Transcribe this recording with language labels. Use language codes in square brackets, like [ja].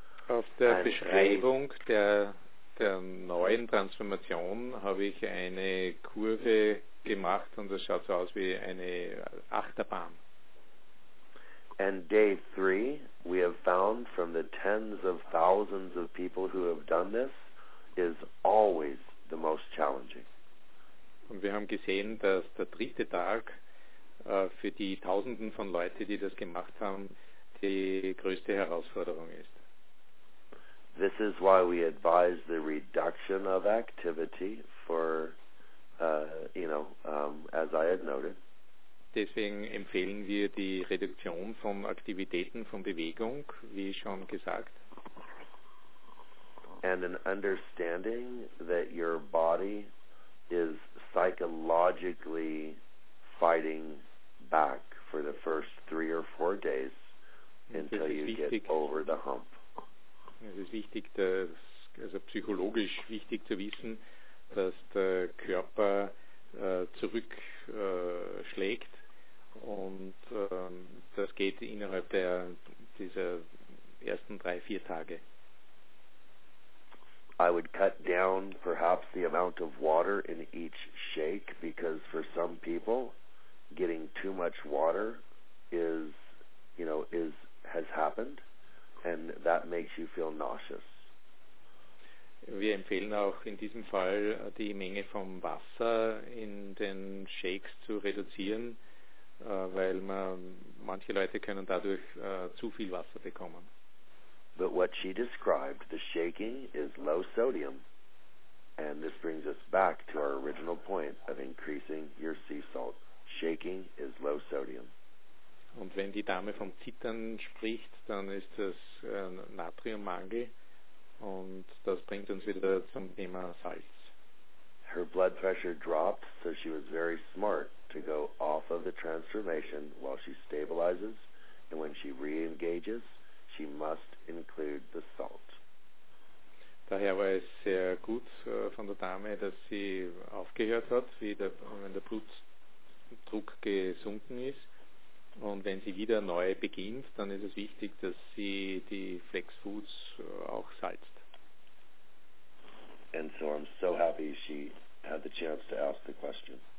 [de] Auf der And Beschreibung der neuen Transformation habe ich eine Kurve gemacht und das schaut so aus wie eine Achterbahn. [en] And day 3, we have found from the tens of thousands of people who have done this, is always the most challenging. [de] Und wir haben gesehen, dass der 3. Tag für die Tausenden von Leuten, die das gemacht haben, die größte Herausforderung ist. [en] This is why we advise the reduction of activity for, as I had noted. [de] Deswegen empfehlen wir die Reduktion von Aktivitäten, von Bewegung, wie schon gesagt. [en] And an understanding that your body is psychologically fighting back for the first 3 or 4 days until you get over the hump. [de] Es ist wichtig, psychologisch wichtig zu wissen, dass der Körper zurückschlägt. Und das geht innerhalb dieser ersten 3-4 Tage. [en] I would cut down perhaps the amount of water in each shake, because for some people getting too much water is, you know, is has happened, and that makes you feel nauseous. [de] Wir empfehlen auch in diesem Fall, die Menge vom Wasser in den Shakes zu reduzieren, weil manche Leute können dadurch zu viel Wasser bekommen. [en] But what she described, the shaking, is low sodium. And this brings us back to our original point of increasing your sea salt. Shaking is low sodium. [de] Und wenn die Dame vom Zittern spricht, dann ist das Natriummangel. Und das bringt uns wieder zum Thema Salz. [en] Her blood pressure dropped, so she was very smart to go off of the transformation while she stabilizes. And when she re-engages, she must include the salt. [de] Daher war es sehr gut von der Dame, dass sie aufgehört hat, wenn der Blutdruck gesunken ist. Und wenn sie wieder neu beginnt, dann ist es wichtig, dass sie die Flex Foods auch salzt. [en] And so I'm so happy she had the chance to ask the question.